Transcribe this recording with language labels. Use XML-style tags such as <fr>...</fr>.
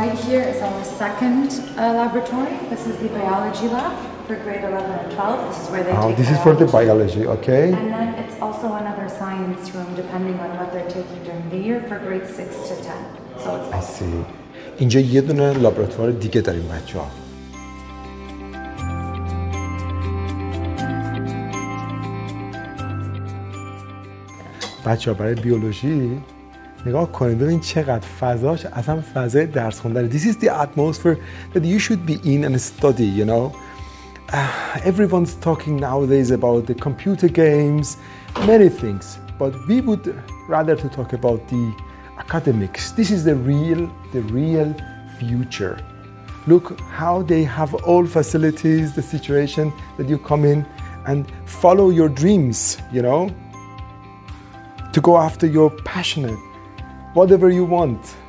<en>Here is our second laboratory. This is the biology lab for grade 11 and 12. This is where they take this biology. This is for the biology, okay. And then it's also another science room, depending on what they're taking during the year, for grade 6 to 10. So I see.</en> <fa>اینجا یه دونه لابراتوار دیگه داریم بچه‌ها. بچه‌ها برای بیولوژی نگاه کنید، ببین چقدر فضاش اصلا فضای درس خوندن.</fa> <en>This is the atmosphere that you should be in and study, you know. Everyone's talking nowadays about the computer games, many things, but we would rather to talk about the academics. This is the real future. Look how they have all facilities, the situation that you come in and follow your dreams, you know, to go after your passionate. Whatever you want.</en>